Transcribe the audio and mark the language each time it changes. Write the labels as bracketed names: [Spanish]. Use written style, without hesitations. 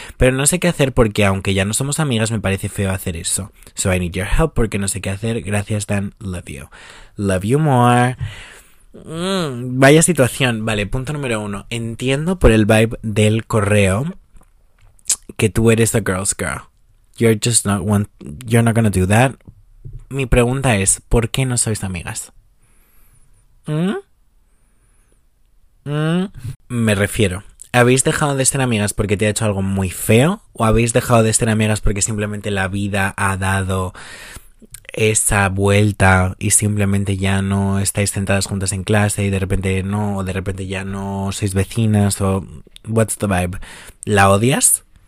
[Spanish] Pero no sé qué hacer porque aunque ya no somos amigas, me parece feo hacer eso. [English] So I need your help [Spanish] porque no sé qué hacer. Gracias, [English] Dan. Love you. Love you more. [Spanish] Vaya situación, vale, punto número uno. Entiendo por el vibe del correo que tú eres [English] a girl's girl. You're just not one, you're not gonna do that. [Spanish] Mi pregunta es, ¿por qué no sois amigas? Me refiero, ¿habéis dejado de ser amigas porque te ha hecho algo muy feo? ¿O habéis dejado de ser amigas porque simplemente la vida ha dado esa vuelta y simplemente ya no estáis sentadas juntas en clase y de repente no, o de repente ya no sois vecinas, o [English] what's the vibe? [Spanish] ¿La odias?